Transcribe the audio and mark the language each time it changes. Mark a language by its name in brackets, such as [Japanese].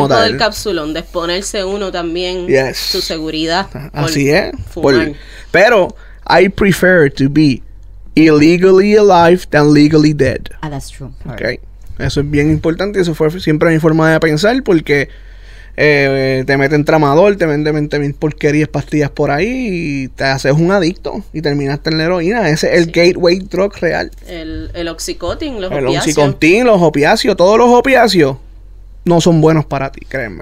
[Spanish] El tiempo del capsulón, de exponerse uno también, [English] yes, [Spanish] su seguridad. Así es. [English] Pero, I prefer to be illegally alive than legally dead. Ah, that's true. [Spanish] Okay. Eso es bien importante. Eso fue siempre mi forma de pensar porque te meten tramador, te venden 20,000 porquerías, pastillas por ahí y te haces un adicto y terminaste en la heroína. Ese es el gateway drug real. El oxicotin, los el opiáceos. El oxicotin, los opiáceos, todos los opiáceos no son buenos para ti, créeme.